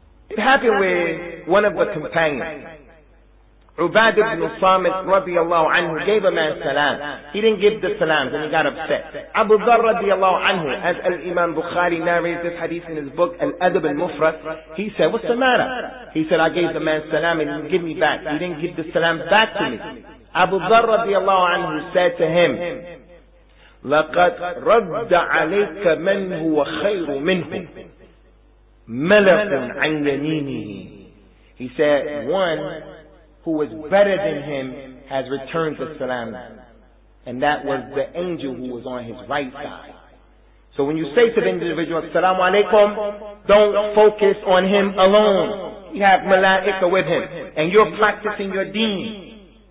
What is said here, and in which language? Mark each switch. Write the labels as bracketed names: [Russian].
[English] It happened with one of the companions. Ubad ibn Samit radiallahu anhu gave a man salam. He didn't give the salams and he got upset. Abu Dharr radiallahu anhu, as Al-Imam Bukhari narrates this hadith in his book, Al-Adab al-Mufrad, he said, what's the matter? He said, I gave the man salam and he didn't give me back. He didn't give the salam back to me. Abu Dharr radiallahu anhu said to him, [Arabic] لَقَدْ رَدَّ عَلَيْكَ مَنْ هُوَ خَيْرُ مِنْهُ مَلَقٌ عَنْ يَمِينِهِ. [English] He said, one who was better than him has returned the salam. And that was the angel who was on his right side. So when you say to the individual, assalamu alaikum, don't focus on him alone. You have malaika with him. And you're practicing your deen.